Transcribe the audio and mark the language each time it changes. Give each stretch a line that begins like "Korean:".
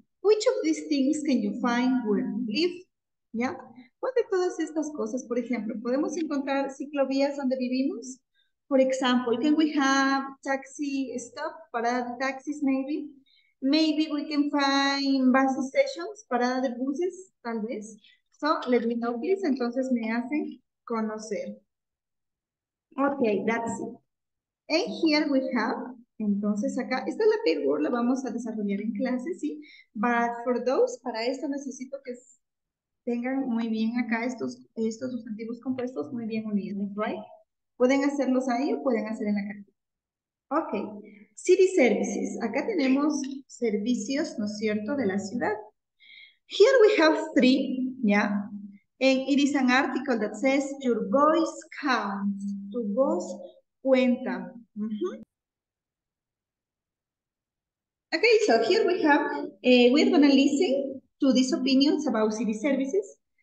English: Which of these things can you find where you live?
Spanish: ¿Ya? ¿Cuál de todas estas cosas, por ejemplo, podemos encontrar ciclovías donde vivimos?
English: For example, can we have taxi stop,
Spanish: parada de taxis,
English: maybe? Maybe we can find bus stations,
Spanish: parada de buses, tal vez.
English: So, let me know, please.
Spanish: Entonces me hacen conocer.
English: Okay, that's it. And here we have,
Spanish: entonces acá, esta es la paired word, la vamos a desarrollar en clase, ¿sí?
English: But for those,
Spanish: para esto necesito que tengan muy bien acá estos sustantivos compuestos muy bien unidos, right? Pueden hacerlos ahí o pueden hacer en la calle.
English: Ok, city services.
Spanish: Acá tenemos servicios, ¿no es cierto?, de la ciudad.
English: Here we have three, ¿ya? And it is an article that says your voice counts.
Spanish: Tu voz cuenta.
English: Okay, so here we have, we are going to listen to these opinions about city services.